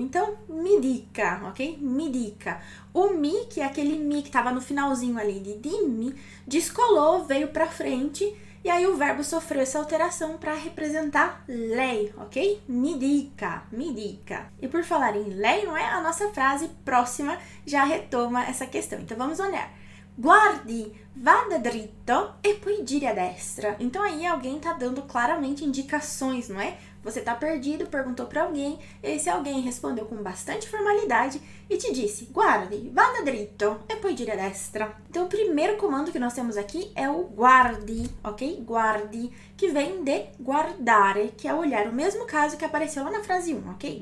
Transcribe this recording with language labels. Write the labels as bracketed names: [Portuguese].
[Portuguese] Então, [Italian] mi dica, ok? Mi dica. [Portuguese] O mi, que é aquele mi que estava no finalzinho ali de dimmi, descolou, veio para frente e aí o verbo sofreu essa alteração para representar lei, ok? [Italian] Mi dica, mi dica. [Portuguese] E por falar em lei, não é? A nossa frase próxima já retoma essa questão. Então vamos olhar. [Italian] Guardi, vada dritto e poi giri a destra. [Portuguese] Então aí alguém tá dando claramente indicações, não é? Você tá perdido, perguntou para alguém, esse alguém respondeu com bastante formalidade e te disse: [Italian] guardi, vada dritto e poi giri a destra. [Portuguese] Então o primeiro comando que nós temos aqui é o guardi, ok? Guardi, que vem de guardare, que é olhar, o mesmo caso que apareceu lá na frase 1, ok?